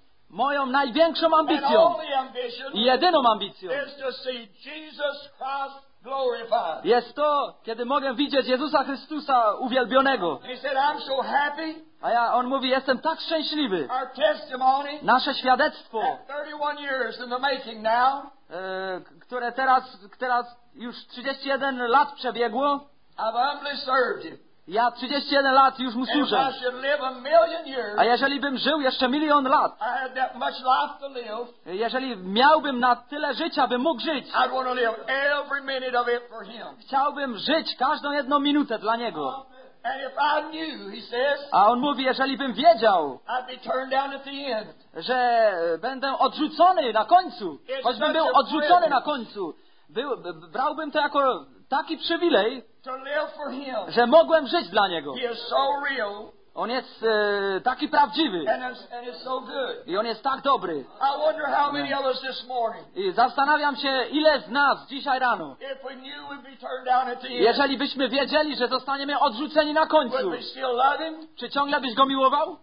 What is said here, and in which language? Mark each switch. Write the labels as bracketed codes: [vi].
[pl] Moją największą ambicją i jedyną ambicją jest to widzieć Jezusa Chrystusa glorified. Jest to, kiedy mogę widzieć Jezusa Chrystusa uwielbionego. [en] He said, I'm so happy. [pl] A ja, on mówi, jestem tak szczęśliwy. [en] Our testimony, [pl] nasze świadectwo, [en] at 31 years in the making now, [pl] które teraz już 31 lat przebiegło. [en] I've humbly served him. [pl] Ja 31 lat już mu służę. [en] And if I should live a million years, [pl] a jeżeli bym żył jeszcze milion lat, [en] I had that much life to live, [pl] jeżeli miałbym na tyle życia, bym mógł żyć, [en] I'd want to live every minute of it for him. [pl] Chciałbym żyć każdą jedną minutę dla Niego. [en] And if I knew, he says, [pl] a on mówi, jeżeli bym wiedział, [en] I'd be turned down at the end. [pl] Że będę odrzucony na końcu, [en] it's [pl] choćbym był odrzucony na końcu, brałbym to jako taki przywilej, [en] to live for him. [pl] Że mogłem żyć dla Niego. [en] He is so real. [pl] On jest taki prawdziwy. [en] And is so good. [pl] I on jest tak dobry. [en] I wonder how many of us this morning. [pl] I zastanawiam się, ile z nas dzisiaj rano, [en] if we knew we'd be turned down at the end, [pl] jeżeli byśmy wiedzieli, że zostaniemy odrzuceni na końcu, [en] would we still love him? [pl] Czy ciągle byś Go miłował?